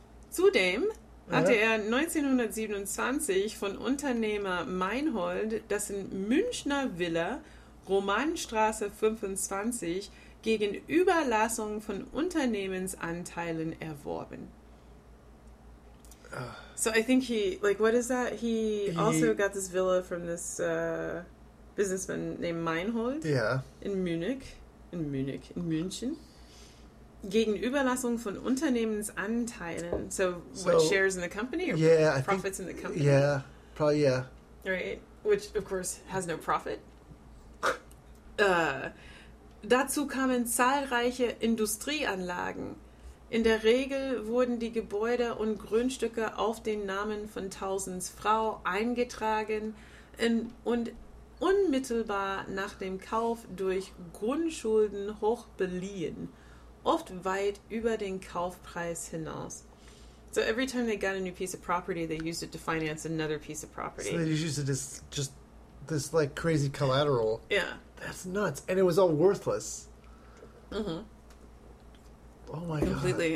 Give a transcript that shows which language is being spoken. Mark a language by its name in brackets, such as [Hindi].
[German] Zudem hatte er 1927 von Unternehmer Meinhold, dessen Münchner Villa, Romanstraße 25, gegen Überlassung von Unternehmensanteilen erworben. [English] So I think he, like, what is that? He also got this villa from this businessman named Meinhold. Yeah. [German] In München. Gegen Überlassung von Unternehmensanteilen. [English] So, what shares in the company? Or yeah, profits I think, in the company? Yeah, probably, yeah. Right? Which, of course, has no profit. [German] Dazu kamen zahlreiche Industrieanlagen. In der Regel wurden die Gebäude und Grundstücke auf den Namen von Tausends Frau eingetragen und unmittelbar nach dem Kauf durch Grundschulden hoch beliehen. Oft weit über den Kaufpreis hinaus. [English] So every time they got a new piece of property, they used it to finance another piece of property. So they used it as just this, like, crazy collateral. Yeah. That's nuts. And it was all worthless. Mm-hmm. Oh, my Completely.